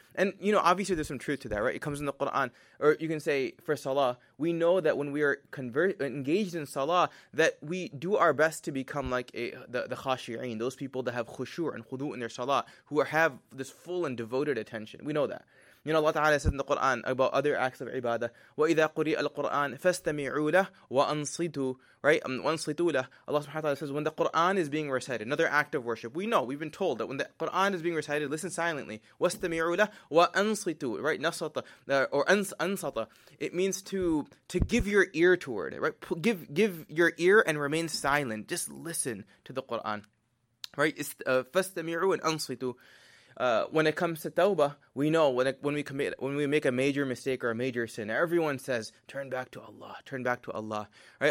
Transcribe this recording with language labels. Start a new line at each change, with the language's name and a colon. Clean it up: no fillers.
English: And, you know, obviously there's some truth to that, right? It comes in the Quran, or you can say for salah, we know that when we are engaged in salah, that we do our best to become like the khashi'een, those people that have khushu' and khudu' in their salah, who have this full and devoted attention. We know that. You know, Allah Ta'ala says in the Quran about other acts of ibadah,
Arabic: وَإِذَا قُرِئَ الْقُرْآنِ فَاسْتَمِعُوا لَهُ وَأَنصِتُوا,
English: right?
Arabic: وَأَنصِتُوا لَهُ.
English: Allah Subh'anaHu Wa Ta'ala says, when the Quran is being recited, another act of worship, we know, we've been told that when the Quran is being recited, listen silently.
Arabic: وَاسْتَمِعُوا لَهُ وَأَنصِتُوا,
English: right?
Arabic: نَصَطَ, or أَنصَطَ.
English: It means to give your ear toward it, right? Give your ear and remain silent. Just listen to the Quran, right? فَاسْتَمِعُوا and أَنصِتُوا. When it comes to tawbah, we know when we make a major mistake or a major sin, everyone says, turn back to Allah, turn back to Allah. Right?